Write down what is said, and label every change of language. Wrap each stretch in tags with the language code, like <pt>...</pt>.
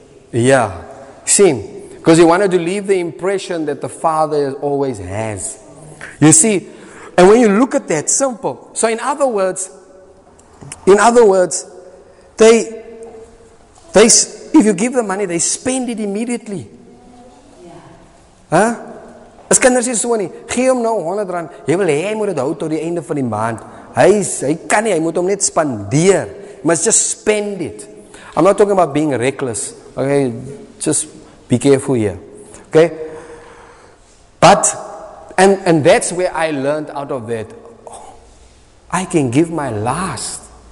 <en>Yeah. See, because he wanted to leave the impression that the father always has. You see, and when you look at that, simple. So in other words, they if you give them money, they spend it immediately.</en> <af>Huh? As kinders is so nie. Gee hom nou 100 rand. Jy wil hê hy moet dit hou tot die einde van die maand. Hy kan nie. Hy moet hom net spandeer.</af> <en>He must just spend it. I'm not talking about being reckless. Okay, just be careful here. Okay? But, and that's where I learned out of that. I can give my last.</en>